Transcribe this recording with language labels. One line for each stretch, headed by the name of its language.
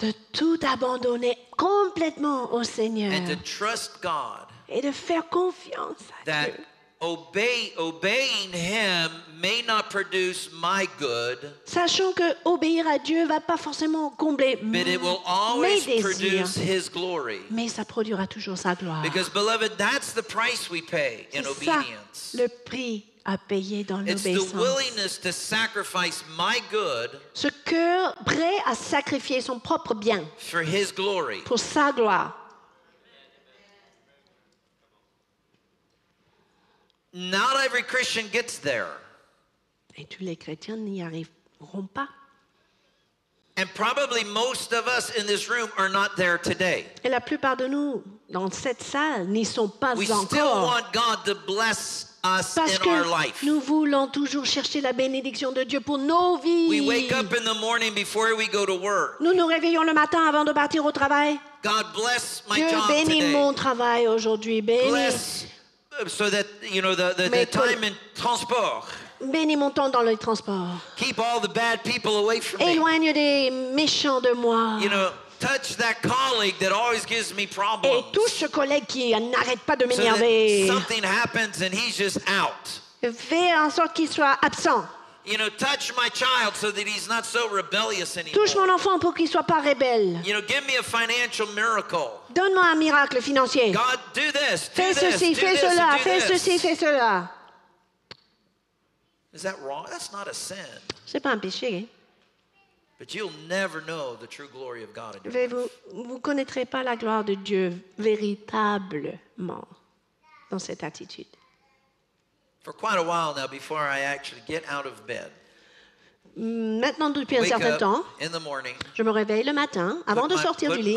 French: de tout abandonner complètement au Seigneur
English: and to trust God,
French: et de faire confiance à
English: that
French: Dieu
English: obeying him may not produce my good,
French: sachant que obéir à Dieu ne va pas forcément combler
English: but it will always
French: mes désirs
English: produce his glory.
French: Mais ça produira toujours sa gloire.
English: Because, beloved, that's the price we pay in obedience.
French: C'est ça le prix à payer dans l'obéissance.
English: It's the willingness to sacrifice my good.
French: Ce cœur prêt à sacrifier son propre bien.
English: For his glory.
French: Pour sa gloire.
English: Not every Christian gets there.
French: Et tous les chrétiens n'y arriveront pas.
English: And probably most of us in this room are not there today.
French: Et la plupart de nous dans cette salle n'y sont pas
English: we
French: encore.
English: We still want God to bless us
French: parce
English: in
French: que
English: our life.
French: Nous voulons toujours chercher la bénédiction de Dieu pour nos vies.
English: We wake up in the morning before we go to work.
French: Nous nous réveillons le matin avant de partir au travail.
English: God bless my
French: Dieu
English: job
French: bénit
English: today.
French: Mon travail aujourd'hui.
English: Bless so that you know the time in transport.
French: Bénis mon temps dans le transport.
English: Keep all the bad people away from
French: éloigne
English: me.
French: Des méchants de moi.
English: You know, touch that colleague that always gives me problems.
French: Et touche ce collègue qui n'arrête pas de m'énerver.
English: So something happens and he's just out.
French: Fais en sorte qu'il soit absent.
English: You know, touch my child so that he's not so rebellious anymore.
French: Touche mon enfant pour qu'il soit pas rebelle.
English: You know, give me a financial miracle.
French: Donne-moi un miracle financier.
English: God, do this.
French: Fais ceci, fais cela, fais ceci, fais cela.
English: Is that wrong? That's not a sin.
French: C'est pas un péché.
English: But you'll never know the true glory of God in your life.
French: Vous connaîtrez pas la gloire de Dieu véritablement dans cette attitude.
English: For quite a while now, before I actually get out of bed.
French: Maintenant depuis un certain temps,
English: in the morning,
French: je me réveille le matin avant de sortir du lit.